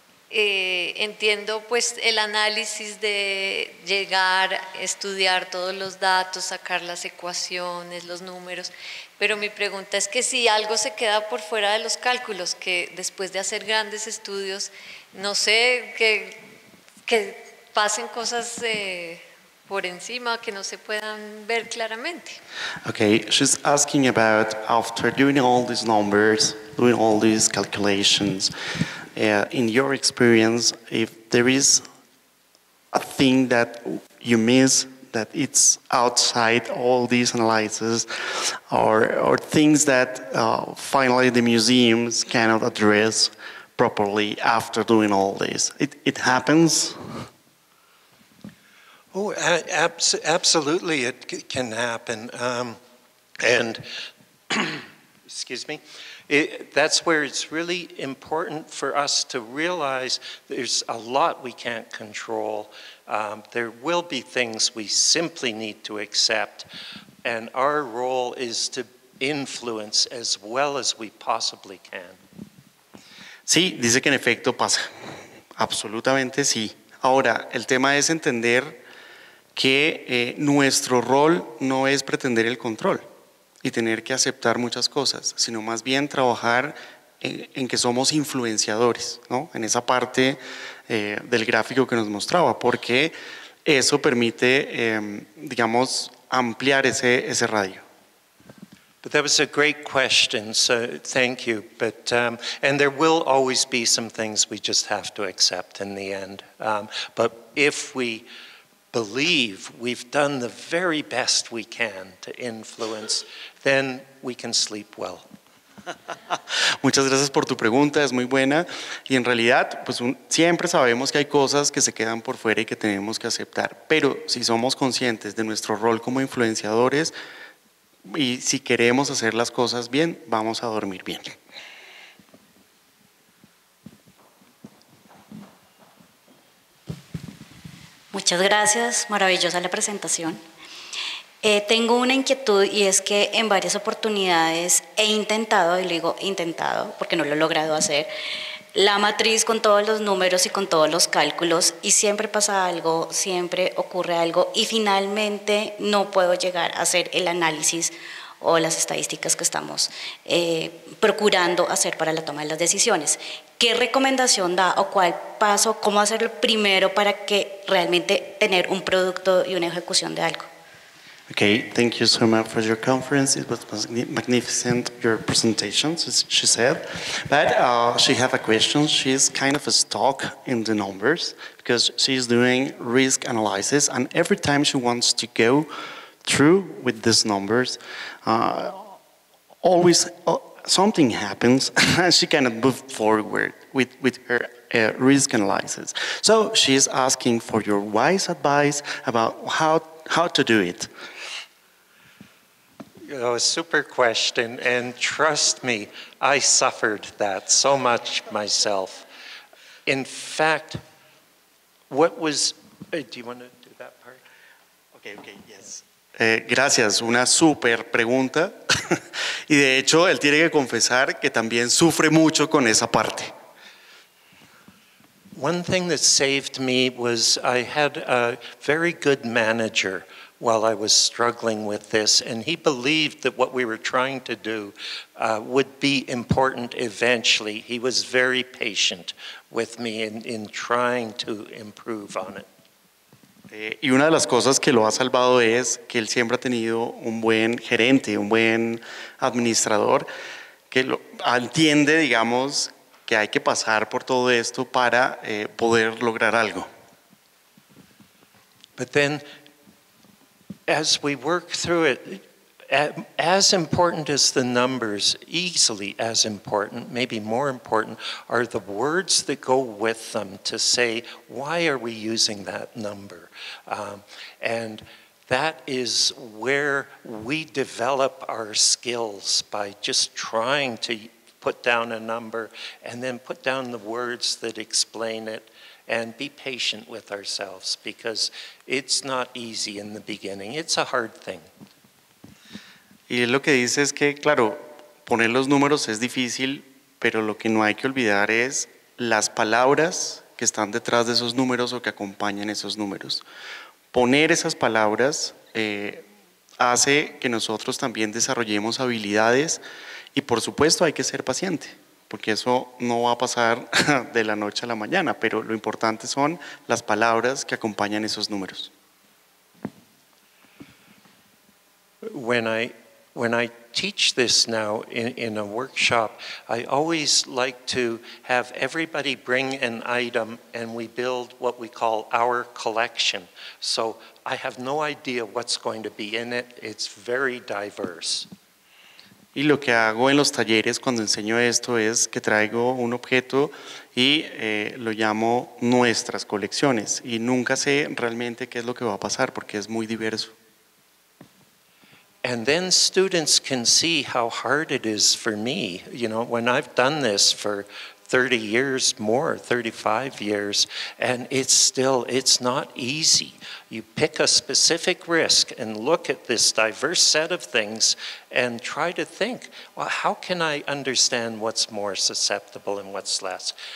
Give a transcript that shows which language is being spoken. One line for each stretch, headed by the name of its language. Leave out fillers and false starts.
Spanish: Entiendo pues el análisis de llegar, estudiar todos los datos, sacar las ecuaciones, los números, pero mi pregunta es que si algo se queda por fuera de los cálculos, que después de hacer grandes estudios, no sé, que pasen cosas por encima que no se puedan ver claramente.
English: Okay, she's asking about after doing all these numbers, doing all these calculations, in your experience, if there is a thing that you miss, that it's outside all these analyses, or things that finally the museums cannot address properly after doing all this, it happens. Oh, absolutely, it can happen. And excuse me, that's where it's really important for us to realize there's a lot we can't control. There will be things we simply need to accept, and our role is to influence as well as we possibly can.
Spanish: Sí, dice que en efecto pasa. Absolutamente sí. Ahora, el tema es entender que nuestro rol no es pretender el control y tener que aceptar muchas cosas, sino más bien trabajar en que somos influenciadores, ¿no? En esa parte del gráfico que nos mostraba, porque eso permite, digamos, ampliar ese radio.
English: But that was a great question, so thank you. But and there will always be some things we just have to accept in the end. But if we believe we've done the very best we can to influence, then we can sleep well.
Spanish: Muchas gracias por tu pregunta, es muy buena. Y en realidad, pues siempre sabemos que hay cosas que se quedan por fuera y que tenemos que aceptar. Pero si somos conscientes de nuestro rol como influenciadores y si queremos hacer las cosas bien, vamos a dormir bien. Muchas gracias, maravillosa la presentación. Tengo una inquietud y es que en varias oportunidades he intentado, y digo intentado porque no lo he logrado hacer, la matriz con todos los números y con todos los cálculos y siempre pasa algo, siempre ocurre algo y finalmente no puedo llegar a hacer el análisis o las estadísticas que estamos procurando hacer para la toma de las decisiones. ¿Qué recomendación da o cuál paso, cómo hacerlo primero para que realmente tener un producto y una ejecución de algo?
English: Okay, thank you so much for your conference. It was magnificent, your presentations, as she said. But she has a question. She's kind of stuck in the numbers because she's doing risk analysis, and every time she wants to go through with these numbers, always something happens, and she cannot move forward with her risk analysis. So she's asking for your wise advice about how to do it. Oh, super question, and trust me, I suffered that so much myself. In fact, what was, do you want to do that part? Okay, yes.
Spanish: Gracias, una super pregunta. Y de hecho, él tiene que confesar que también sufre mucho con esa parte.
English: One thing that saved me was I had a very good manager while I was struggling with this, and he believed that what we were trying to do would be important eventually. He was very patient with me in trying to improve on it.
Spanish: Y una de las cosas que lo ha salvado es que él siempre ha tenido un buen gerente, un buen administrador, que lo entiende, digamos, que hay que pasar por todo esto para poder lograr algo.
English: But then, as we work through it, as important as the numbers, easily as important, maybe more important, are the words that go with them to say, why are we using that number? And that is where we develop our skills, by just trying to put down a number and then put down the words that explain it. And be patient with ourselves, because it's not easy in the beginning. It's a hard thing.
Spanish: Y lo que dice es que, claro, poner los números es difícil, pero lo que no hay que olvidar es las palabras que están detrás de esos números o que acompañan esos números. Poner esas palabras hace que nosotros también desarrollemos habilidades, y por supuesto hay que ser paciente, porque eso no va a pasar de la noche a la mañana, pero lo importante son las palabras que acompañan esos números.
English: When I teach this now in a workshop, I always like to have everybody bring an item and we build what we call our collection. So I have no idea what's going to be in it. It's very diverse.
Spanish: Y lo que hago en los talleres cuando enseño esto es que traigo un objeto y lo llamo nuestras colecciones. Y nunca sé realmente qué es lo que va a pasar porque es muy diverso.
English: And then students can see how hard it is for me. You know, when I've done this for 30 years more, 35 years, and it's not easy. You pick a specific risk and look at this diverse set of things and try to think, well, how can I understand what's more susceptible and what's less?